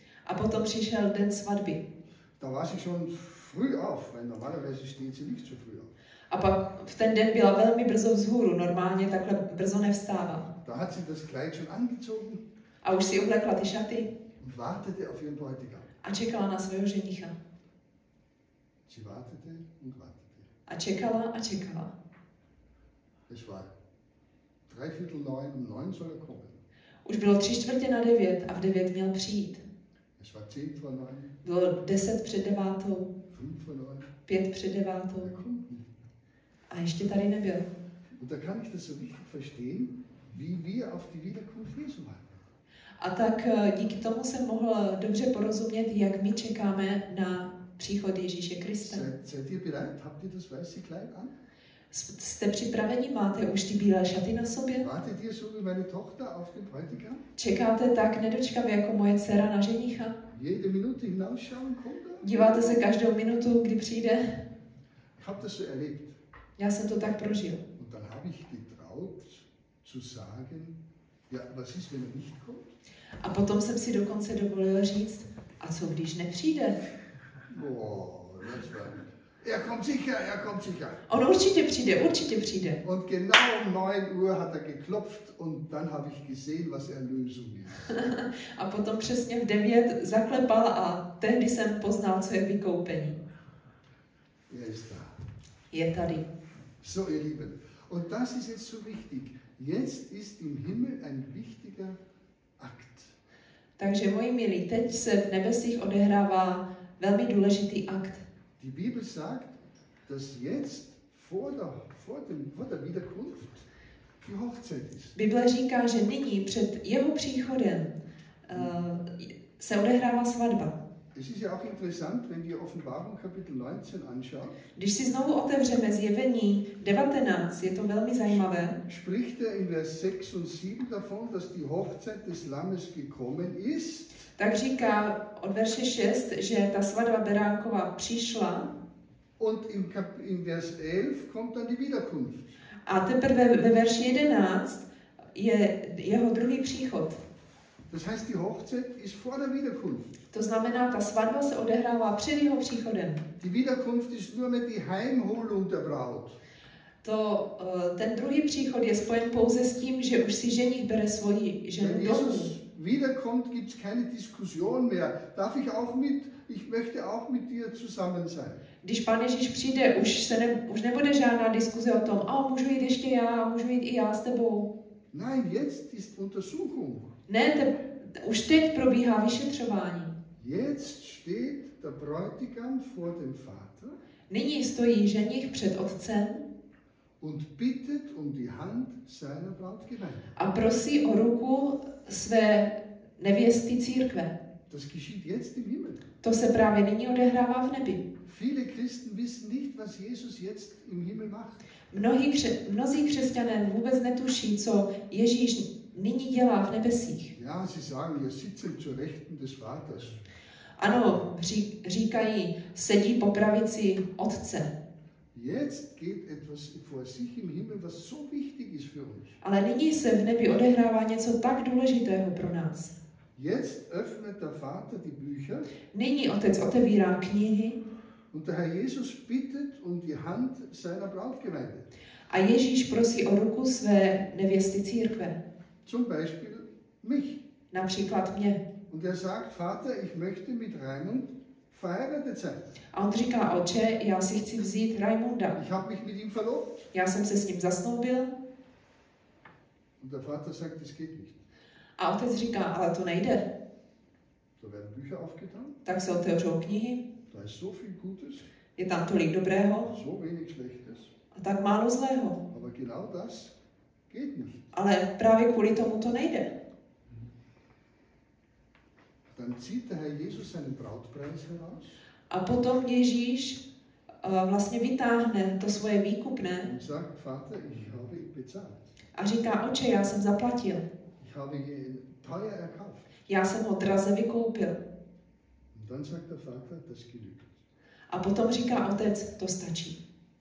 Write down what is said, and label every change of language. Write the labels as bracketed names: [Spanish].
[Czech] A potom přišel den svatby. [German] Da war sie schon früh auf, weil normalerweise steht sie nicht so früh auf. [Czech] A pak v ten den byla velmi brzo vzhůru, normálně takhle brzo nevstává. [German] Da hat sie das Kleid schon angezogen. [Czech] A už si oblekla ty šaty. [German] Und wartete auf ihren Bräutigam. [Czech] A čekala na svého ženicha. [German] Sie wartete und wartete. [Czech] A čekala a čekala. [German] Es war drei Viertel neun und neun soll er kommen. [Czech] Už bylo 9:15 a v 9 měl přijít. [German] Es war 10 vor 9. [Czech] Bylo 9:50. [German] 5 vor 9. [Czech] 9:55. [German] Er kommt nicht. [Czech] A ještě tady nebyl. [German] Und da kann ich das so richtig verstehen, wie wir auf die Wiederkunft Jesu warten. [Czech] A tak díky tomu jsem mohl dobře porozumět, jak my čekáme na příchod Ježíše Krista. [German] Seid ihr bereit? Habt ihr das weiße Kleid an? [Czech] Jste připraveni? Máte už ty bílé šaty na sobě? [German] Wartet ihr so wie meine Tochter auf den Bräutigam? [Czech] Čekáte tak nedočkavě jako moje dcera na ženicha? [German] Jede minute hinausschauen, kommt er? [Czech] Díváte se každou minutu, kdy přijde? [German] Ich hab das so erlebt. [Czech] Já jsem to tak prožil. [German] Und dann habe ich getraut zu sagen, ja, was ist, wenn er nicht kommt? [Czech] A potom jsem si dokonce dovolil říct, a co když nepřijde? [English] Oh, that's right. [German] Er kommt sicher, er kommt sicher. [Czech] On určitě přijde, určitě přijde. [German] Und genau um 9 Uhr hat er geklopft und dann habe ich gesehen, was er Lösung ist. [Czech] A potom přesně v 9 zaklepal a tehdy jsem poznal, co je vykoupení. [German] Er ist da. [Czech] Je tady. [German] So, ihr Lieben. Und das ist jetzt so wichtig. Jetzt ist im Himmel ein wichtiger Akt. [Czech] Takže moji milí, teď se v nebesích odehrává velmi důležitý akt. [German] Die Bibel sagt, dass jetzt vor der Wiederkunft die Hochzeit ist. [Czech] Bible říká, že nyní před jeho příchodem se odehrává svatba. [German] Es ist ja auch interessant, wenn wir Offenbarung Kapitel 19 anschauen. [Czech] Když si znovu otevřeme Zjevení 19, je to velmi zajímavé. [German] Spricht er in Vers 6 und 7 davon, dass die Hochzeit des Lammes gekommen ist. [Czech] Tak říká od verše 6, že ta svatba Beránkova přišla. [German] Und in Vers 11 kommt dann die Wiederkunft. [Czech] A teprve ve verši 11 je jeho druhý příchod. [German] Das heißt, die Hochzeit ist vor der Wiederkunft. [Czech] To znamená, ta svatba se odehrává před jeho příchodem. [German] Die Wiederkunft ist nur mit die Heimholung der Braut. [Czech] To ten druhý příchod je spojen pouze s tím, že už si ženich bere svoji ženu domů. [German] Jesus wiederkommt, gibt's keine Diskussion mehr. Darf ich auch mit? Ich möchte auch mit dir zusammen sein. [Czech] Když Pán Ježíš přijde, už nebude žádná diskuze o tom, oh, můžu jít ještě já, můžu jít i já s tebou. [German] Nein, jetzt ist Untersuchung. [Czech] Ne, už teď probíhá vyšetřování. [German] Jetzt steht der Bräutigam vor dem Vater. [Czech] Nyní stojí ženich před otcem. [German] Und bittet um die Hand seiner Brautgemeinde. [Czech] A prosí o ruku své nevěsty církve. [German] Das geschieht jetzt im Himmel. [Czech] To se právě nyní odehrává v nebi. [German] Viele Christen wissen nicht, was Jesus jetzt im Himmel macht. [Czech] Mnozí křesťané vůbec netuší, co Ježíš nyní dělá v nebesích. [German] Ja, sie sagen, er sitzt zu Rechten des Vaters. [Czech] Ano, říkají, sedí po pravici Otce. [German] Jetzt geht etwas vor sich im Himmel, was so wichtig ist für uns. [Czech] Ale nyní se v nebi odehrává něco tak důležitého pro nás. [German] Jetzt öffnet der Vater die Bücher. [Czech] Nyní Otec otevírá knihy. [German] Und der Herr Jesus bittet um die Hand seiner Brautgemeinde. [Czech] A Ježíš prosí o ruku své nevěsty církve. [German] Zum Beispiel mich. [Czech] Například mě. [German] Und er sagt, Vater, ich möchte mit Raimund verheiratet sein. [Czech] A on říká, Oče, já si chci vzít Raimunda. [German] Ich habe mich mit ihm verlobt. [Czech] Já jsem se s ním zasnoubil. [German] Und der Vater sagt, das geht nicht. [Czech] A Otec říká, ale to nejde. [German] So werden Bücher aufgetan. [Czech] Tak se otevřou knihy. [German] Da ist so viel Gutes. [Czech] Je tam tolik dobrého. [German] So wenig Schlechtes. [Czech] A tak málo zlého. [German] Aber genau das geht nicht. [Czech] Ale právě kvůli tomu to nejde. [German] Dann zieht der Herr Jesus seinen Brautpreis heraus. [Czech] A potom Ježíš vlastně vytáhne to svoje výkupné. [German] Und sagt, Vater, ich habe bezahlt. [Czech] A říká, Oče, já jsem zaplatil. [German] Ich habe ihn teuer erkauft. [Czech] Já jsem ho draze vykoupil. [German] Und dann sagt der Vater, das genügt. [Czech] A potom říká Otec, to stačí.